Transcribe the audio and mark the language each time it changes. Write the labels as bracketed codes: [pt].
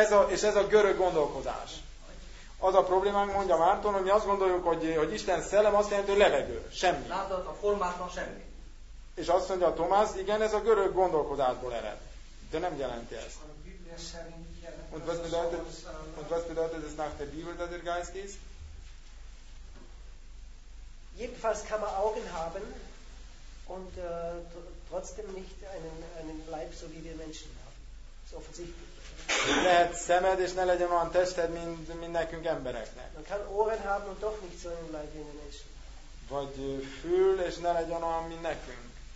[hu] És ez a görög gondolkodás. Az a probléma, mondja Márton, hogy mi azt gondoljuk, hogy Isten szellem azt jelenti, hogy levegő, semmi. Látod, a formátlan semmi. És azt mondja Tomás, igen, ez a görög gondolkodásból ered. De nem jelenti ezt. [de] Und was bedeutet es nach der Bibel, dass der Geist ist? Jedenfalls kann man Augen haben und trotzdem nicht einen Leib, so wie wir Menschen haben. Das ist offensichtlich. [hu] Lehet szemed, és ne legyen olyan tested, mint nekünk embereknek. [de] Man kann Ohren haben und doch nicht so einen Leib wie wir Menschen. [hu] Vagy fül, és ne legyen olyan, mint nekünk.